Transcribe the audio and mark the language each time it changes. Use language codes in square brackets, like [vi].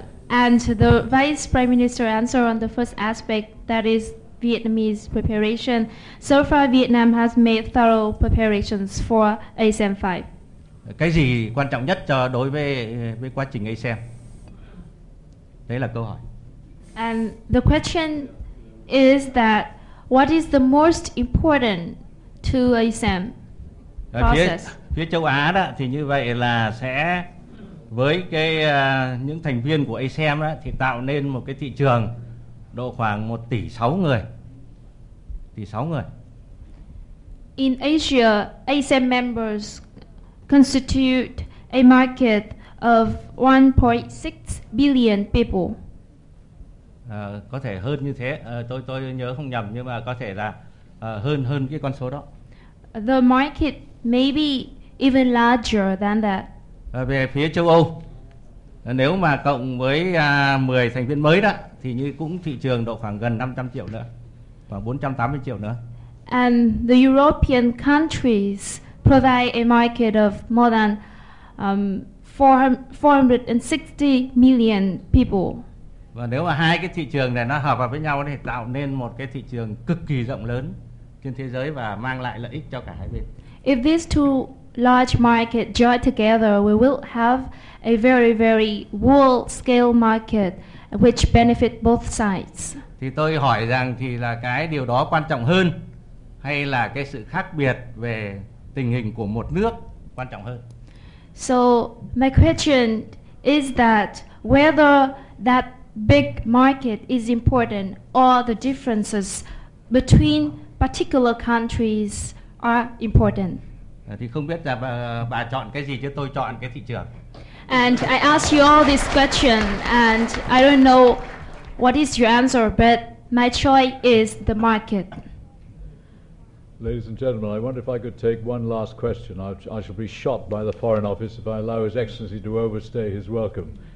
[en] And the Vice Prime Minister answer on the first aspect, that is Vietnamese preparation. So far, Vietnam has made thorough preparations for ASEM 5. [vi] Cái gì quan trọng nhất cho đối với quá trình ASEM? Đấy là câu hỏi. [en] And the question is that what is the most important to ASEM process? [vi] Phía châu Á đó thì như vậy là sẽ với cái những thành viên của ASEM đó thì tạo nên một cái thị trường độ khoảng 1.6 tỷ người. Tỷ 6 người. [en] In Asia, ASEM members constitute a market of 1.6 billion people. [vi] Có thể hơn như thế, tôi nhớ không nhầm nhưng mà có thể là hơn cái con số đó. [en] The market may be even larger than that. [vi] Về phía châu Âu, nếu mà cộng với 10 thành viên mới đó thì như cũng thị trường độ khoảng gần 500 triệu nữa, khoảng 480 triệu nữa. [en] And the European countries provide a market of more than 460 million people. [vi] Và nếu mà hai cái thị trường này nó hợp vào với nhau thì tạo nên một cái thị trường cực kỳ rộng lớn trên thế giới và mang lại lợi ích cho cả hai bên. [en] If these two large markets join together, we will have a very very world scale market which benefit both sides. [vi] Thì tôi hỏi rằng thì là cái điều đó quan trọng hơn hay là cái sự khác biệt về tình hình của một nước quan trọng hơn. [en] So my question is that whether that big market is important or the differences between particular countries are important. [vi] Thì không biết là bà chọn cái gì chứ tôi chọn cái thị trường. [en] And I ask you all this question, and I don't know what is your answer, but my choice is the market. Ladies and gentlemen, I wonder if I could take one last question. I shall be shot by the Foreign Office if I allow His Excellency to overstay his welcome.